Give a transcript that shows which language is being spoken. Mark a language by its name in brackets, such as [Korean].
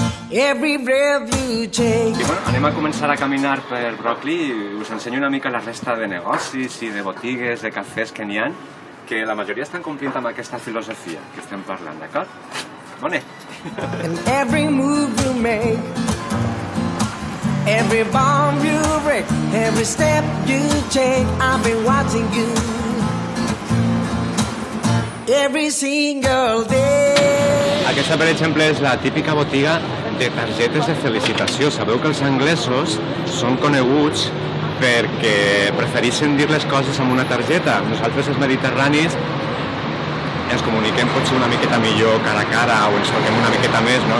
[English] Every breath you take. [Catalan] I bueno, anem a començar a caminar per Brockley i us ensenyo una mica la resta de negocis i de botigues, de cafès que n'hi ha, que la majoria estan complint amb aquesta filosofia que estem parlant, d'acord? Bona. [English] And every move you make, every bomb you break, every step you take, I've been watching you every single day. [Catalan] Aquesta, per exemple, és la típica botiga de targetes de felicitació. Sabeu que els anglesos són coneguts perquè preferixen dir les coses amb una targeta. Nosaltres, els mediterranis, ens comuniquem potser una miqueta millor cara a cara o ens toquem una miqueta més, no?